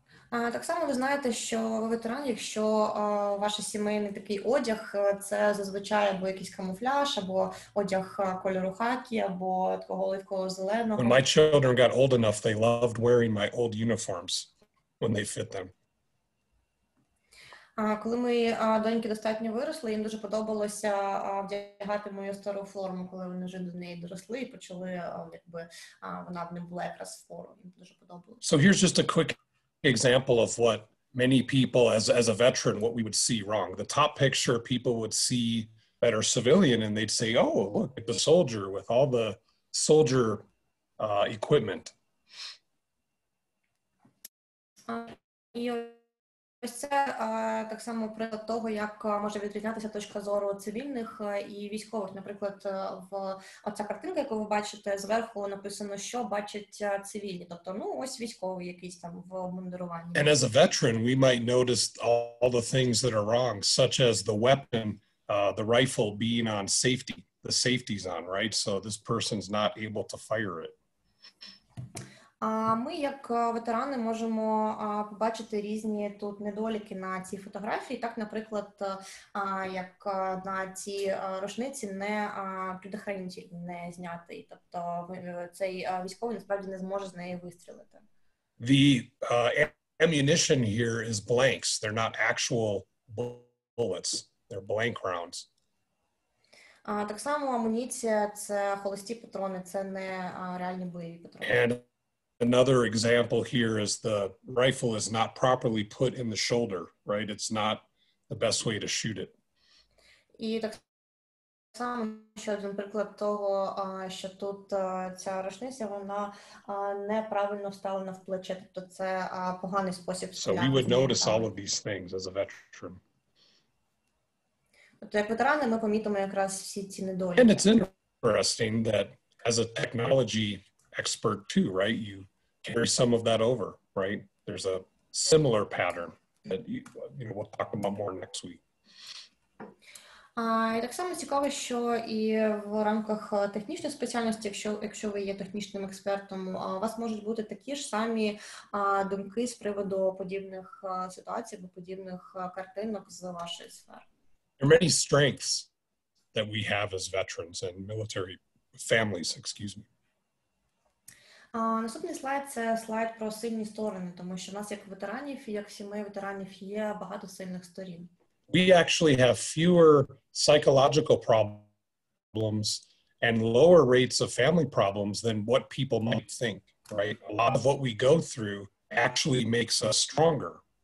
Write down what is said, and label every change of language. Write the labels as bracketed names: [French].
[Ukrainian] Так само ви знаєте, що ви ветеран, якщо ваш сімейний такий одяг, це зазвичай або якийсь камуфляж, або одяг кольору хакі, або такого легкого зеленого. [English] When my children got old enough, they loved wearing my old uniforms when they fit them. [Ukrainian] Коли мої доньки достатньо виросли, їм дуже подобалося вдягати мою стару форму, коли вони вже до неї доросли і почали, якби вона в них була якраз форма, їм дуже подобалося. [English] So here's just a quick example of what many people, as a veteran, what we would see wrong. The top picture people would see that are civilian and they'd say, oh, look at the soldier with all the soldier equipment. [Ukrainian] Ось це так само приклад того, як може відрізнятися точка зору цивільних і військових. Наприклад, в оця картинка, яку ви бачите, зверху написано, що бачать цивільні. Тобто, ну, ось військовий якийсь там в обмундируванні. [English] And as a veteran, we might notice all the things that are wrong, such as the weapon, the rifle being on safety, the safety's on, right? So this person's not able to fire it. [Ukrainian] Ми, як ветерани, можемо побачити різні тут недоліки на цій фотографії. Так, наприклад, як на цій рушниці не предохранитель не знятий. Тобто цей військовий насправді не зможе з неї вистрілити. [English] The ammunition here is blanks. They're not actual bullets. They're blank rounds. [Ukrainian] Так само амуніція – це холості патрони, це не реальні бойові патрони. [English] And another example here is the rifle is not properly put in the shoulder, right? It's not the best way to shoot it. [Ukrainian] І так само, ще один приклад того, що тут ця рушниця, вона неправильно вставлена в плече, тобто це поганий спосіб. [English] So we would notice all of these things as a veteran. [Ukrainian] Тобто як ветерани ми помітимо якраз всі ці недоліки. [English] And it's interesting that as a technology expert too, right? You carry some of that over, right? There's a similar pattern that you know, we'll talk about more next week. [Ukrainian] І так само цікаво, що і в рамках технічної спеціальності, якщо ви є технічним експертом, у вас можуть бути такі ж самі думки з приводу подібних ситуацій або подібних картинок з вашої сфери. [English] There are many strengths that we have as veterans and military families, excuse me. [Ukrainian] Наступний слайд – це слайд про сильні сторони, тому що в нас як ветеранів, як сімей ветеранів, є багато сильних сторін. [English] We actually have fewer psychological problems and lower rates of family problems than what people might think, right? A lot of what we go through actually makes us stronger.